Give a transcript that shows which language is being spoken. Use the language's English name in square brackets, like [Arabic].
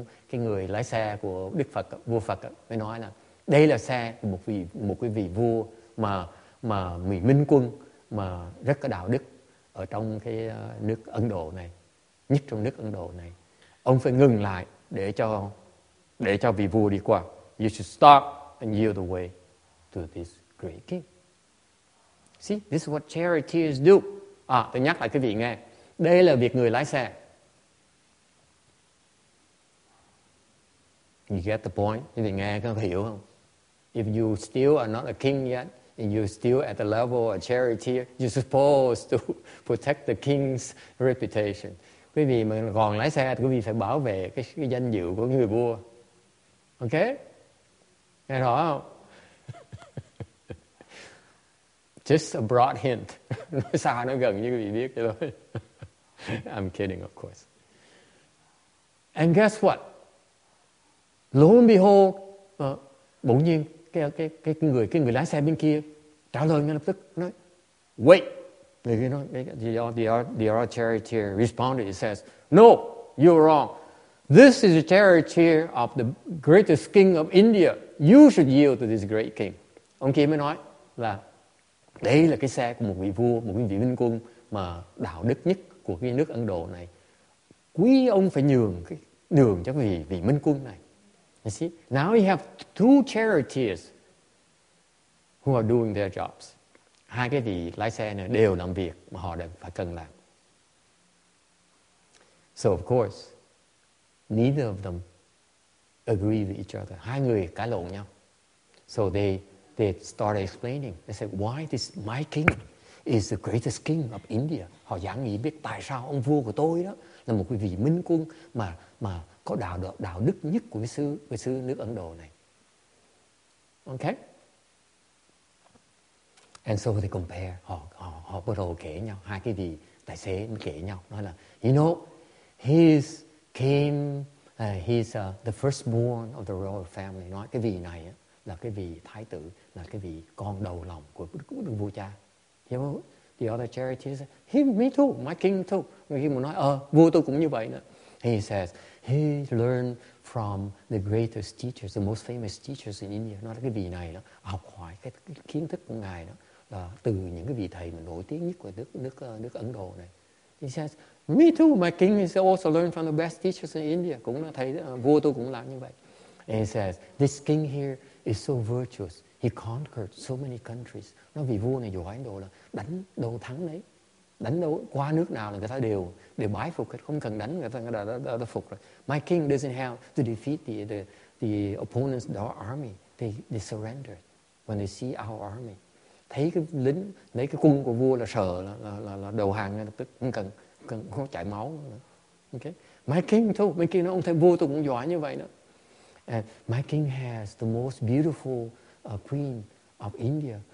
[Vietnamese] Cái người lái xe của Đức Phật, vua Phật mới nói là đây là xe của một vị vua mà người minh quân mà rất có đạo đức ở trong cái nước Ấn Độ này, nhất trong nước Ấn Độ này. Ông phải ngừng lại để cho vị vua đi qua. [English] You should stop and yield the way to this great king. See, this is what charioteers do. [Vietnamese] À, tôi nhắc lại quý vị nghe. Đây là việc người lái xe. [English] You get the point? [Vietnamese] Quý vị nghe có hiểu không? [English] If you still are not a king yet, and you're still at the level of a charioteer, you're supposed to protect the king's reputation. [Vietnamese] Quý vị mà còn lái xe, quý vị phải bảo vệ cái danh dự của người vua. Ok? Nghe rõ không? [English] Just a broad hint. [Vietnamese] Nói xa, nói gần như quý vị biết vậy thôi. [English] I'm kidding, of course. And guess what? [Vietnamese] Lo and behold, bỗng nhiên cái người lái xe bên kia trả lời ngay lập tức, nói wait. Người kia nói, [English] the charioteer responded. It says, no, you're wrong. This is a charioteer of the greatest king of India. You should yield to this great king. [Vietnamese] Ông kia mới nói là đây là cái xe của một vị vua, một vị minh quân mà đạo đức nhất của cái nước Ấn Độ này. Quý ông phải nhường cái đường cho vị minh quân này. [English] You see, now you have two charioteers who are doing their jobs. [Vietnamese] Hai cái vị lái xe này đều làm việc mà họ đã phải cần làm. [English] So of course, neither of them agree with each other. [Vietnamese] Hai người cãi lộn nhau. [English] So they started explaining. They said, why this my king is the greatest king of India? [Vietnamese] Họ giảng nghĩ biết tại sao ông vua của tôi đó là một vị minh quân mà có đạo đức nhất của xứ nước Ấn Độ này. Okay? [English] And so they compare. [Vietnamese] Họ bắt đầu kể nhau. Hai cái vị tài xế mới kể nhau. Nói là, [English] you know, he's the firstborn of the royal family. [Vietnamese] Nói cái vị này là cái vị thái tử, là cái vị con đầu lòng của đức vua cha. [English] You know, the other charioteer said, me too, my king too. [Vietnamese] Người kia nói, vua tôi cũng như vậy nữa. [English] He says, he learned from the greatest teachers, the most famous teachers in India. [Vietnamese] Nói là cái vị này đó, học hỏi cái kiến thức của ngài đó, là từ những cái vị thầy mà nổi tiếng nhất của nước Ấn Độ này. [English] He says, me too, my king is also learned from the best teachers in India. [Vietnamese] Cũng là thầy, vua tôi cũng làm như vậy. [English] And he says, this king here is so virtuous. He conquered so many countries. [Vietnamese] Nói vì vua này giỏi đồ là đánh đâu thắng đấy. Đánh đâu, qua nước nào là người ta đều bái phục hết. Không cần đánh, người ta đã phục rồi. [English] My king doesn't have to defeat the opponent's army. They surrender when they see our army. [Vietnamese] Thấy cái lính, lấy cái quân của vua là sợ, là đầu hàng ngay lập tức. Không cần, không chảy máu nữa. Okay. [English] My king [Vietnamese] nói, ông thầy vua tôi cũng giỏi như vậy đó. [English] My king has the most beautiful queen of India.